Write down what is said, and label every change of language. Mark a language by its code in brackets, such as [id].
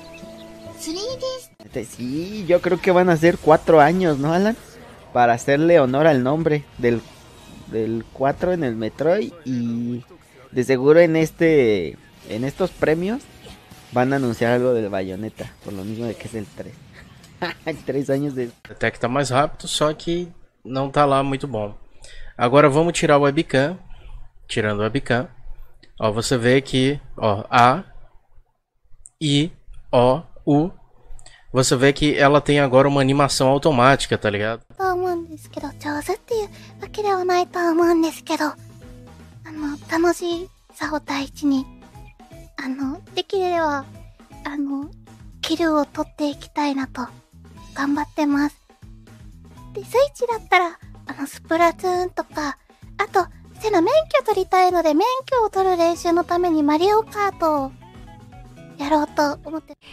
[es] También ya. 3D. Sí, yo creo que van a ser 4 años, ¿no, Alan? Para hacerle honor al nombre del 4 en el Metroid. Y de seguro en estos premios van a anunciar algo del Bayonetta. Por lo mismo de que es el 3. 3 años de. [pt] Até que tá mais rápido, só que não tá lá muito bom. Agora vamos tirar o webcam. Tirando o webcam. Ó, você vê que. Ó, A. I, O, U. Você vê que ela tem agora uma animação automática, tá ligado? [ja] と思うんですけど、上手っていうわけではないと思うんですけど、楽しさを第一に、できれば、キルを取っていきたいなと、頑張ってます。で、スイッチだったら、スプラトゥーンとか、あと、セナ免許取りたいので、免許を取る練習のためにマリオカートを、やろうと思って。